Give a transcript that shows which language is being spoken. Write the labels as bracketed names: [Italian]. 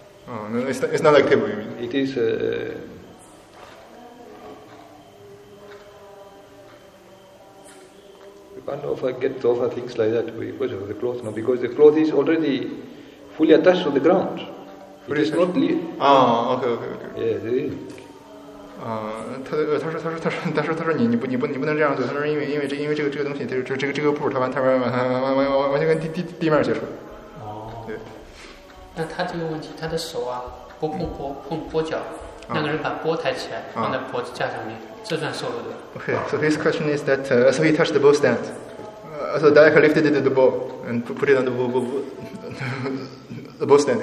[English] Oh, no, it's not like table, you mean? It is. You can't get offer things like that because of the cloth. No, because the cloth is already fully attached to the ground. Fully it is attached? Not. Okay. Yeah, it is. [Chinese] 他说，你不能这样做。他说，因为这个东西，就是这个布，它完全跟地面接触。那他这个问题，他的手啊，不碰脚，那个人把钵抬起来放在脖子架上面，这算受了的。 [English] Okay, so his question is that, so he touched the bow stand, so the diaker lifted the bow and put it on the bow stand.